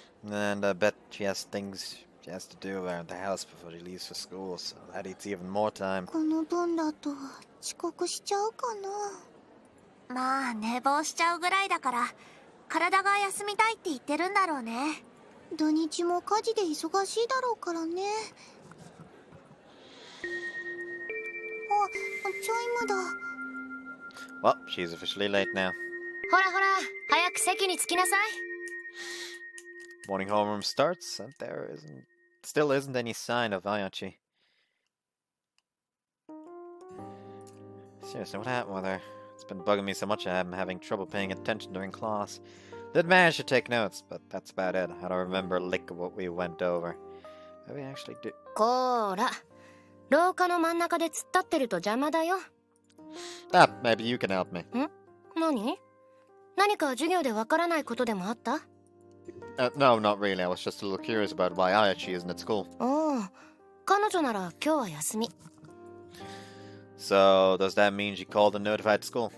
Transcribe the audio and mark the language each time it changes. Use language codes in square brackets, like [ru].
[en] And I bet she has things she has to do around the house before she leaves for school, so that eats even more time. [ja] この分だと遅刻しちゃうかな? まあ、寝坊しちゃうぐらいだから。体が休みたいって言ってるんだろうね。土日も家事で忙しいだろうからね。あ、チャイムだ。 [en] Well, she's officially late now. [ja] ほらほら、早く席に着きなさい。 [en] Morning homeroom starts, and there isn't... Still isn't any sign of Ayachi. Seriously, what happened with her? It's been bugging me so much I've been having trouble paying attention during class. Did manage to take notes, but that's about it. I don't remember a lick of what we went over. Maybe I actually did. [ja] こら! 廊下の真ん中で突っ立ってると邪魔だよ。 [en] Ah, maybe you can help me. [ja] ん?何? 何か授業でわからないことでもあった? [en] No, not really. I was just a little curious about why Ayachi isn't at school. [ja] Oh, 彼女なら今日は休み。 [en] So, does that mean she called and notified school?